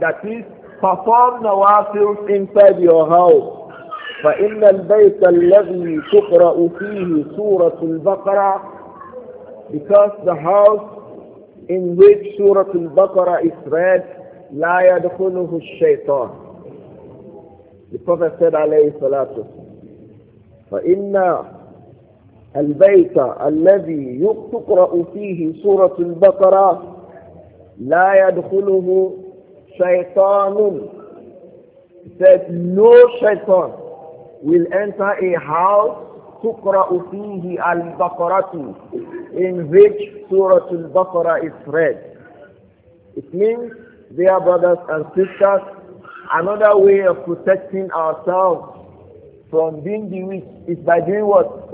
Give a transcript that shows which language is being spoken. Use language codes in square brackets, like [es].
[en] That is, perform nawafil inside your house. [ar] فَإِنَّ الْبَيْتَ الَّذِي تُقْرَأُ فِيهِ سُورَةُ الْبَقَرَةِ. [en] Because the house in which Surah Al-Baqarah is read, [ar] لَا يَدْخُلُهُ الشَّيْطَانِ. [en] The Prophet said, [ar] alayhi salatu, فَإِنَّ الْبَيْتَ الَّذِي تُقْرَأُ فِيهِ سُورَةُ الْبَقَرَةِ لَا يَدْخُلُهُ شَيْطَانٌ. [en] He said, no shaitan will enter a house [ar] تُقْرَأُ فِيهِ الْبَقَرَةُ [en] in which Surah Al-Baqarah is read. It means, dear brothers and sisters, another way of protecting ourselves from being bewitched is by doing what?